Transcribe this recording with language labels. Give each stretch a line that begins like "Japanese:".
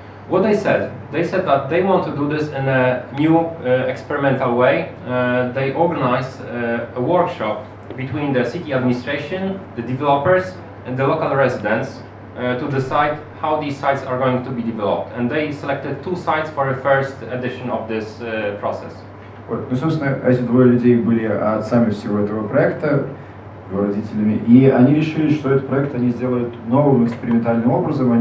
English: What they said? They said that they want to do this in a new experimental way. They organized a workshop between the city administration, the developers, and the local residents to decide how these sites are going to be developed. And they selected two sites for a first edition of this process.
Russian: Вот, ну, собственно, эти двое людей были отцами всего этого проекта, его родителями, и они решили, что этот проект они сделают новым экспериментальным образом.